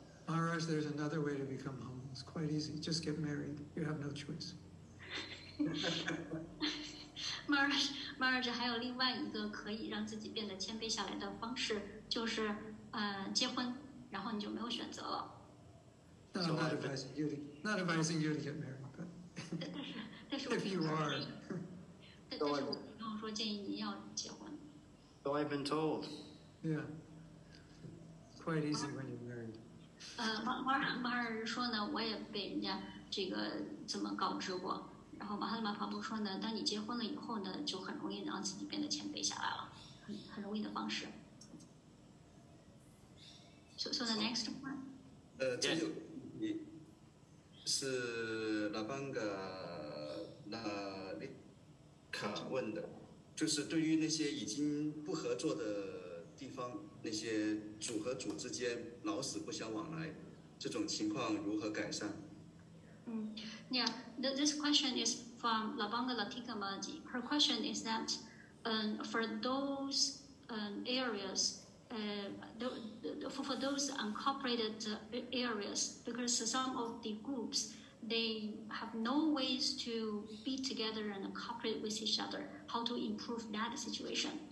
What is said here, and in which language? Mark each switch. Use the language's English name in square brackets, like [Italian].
[English] Maharaj, there's another way to become humble. It's quite easy. Just get married. You have no choice. [Chinese] Maharaj, 还有另外一个可以让自己变得谦卑下来的方式，就是结婚，然后你就没有选择了。 [English] No, I'm not advising you to get married. But if you are, [Chinese] 但是我没有说建议你要结婚。 [English] So I've been told. Yeah. Quite easy when you're married. [Chinese] 马尔说呢，我也被人家这个这么告知过。然后马哈拉玛帕布说呢，当你结婚了以后呢，就很容易让自己变得谦卑下来了，很容易的方式。 [English] So the next one. [Chinese] 这就你是拉班格拉丽卡问的，就是对于那些已经不合作的。地方那些主和主之间老死不相往来，这种情况如何改善？ [English] Yeah, this question is from Labanga Latika Maji. Her question is that, for those areas, for those uncooperated areas, because some of the groups they have no ways to be together and cooperate with each other, how to improve that situation?